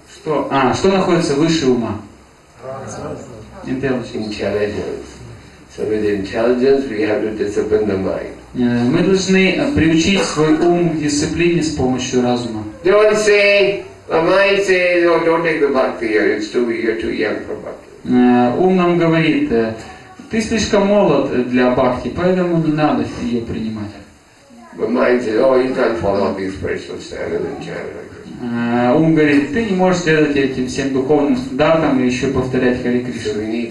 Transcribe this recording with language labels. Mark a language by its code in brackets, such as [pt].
[ru] Что? А, что находится выше ума? [en] Intelligence. So with intelligence we have to discipline the mind. [ru] Мы должны приучить свой ум к дисциплине с помощью разума. [en] Don't say, the mind says, oh, don't take the bhakti here, it's too, you're too young for bhakti. [ru] Ум нам говорит, ты слишком молод для бхакти, поэтому не надо ее принимать. [en] The mind says, oh, you can't follow these spiritual standards in general. [ru] Ум говорит, ты не можешь следовать этим всем духовным стандартам и еще повторять Хари Кришну.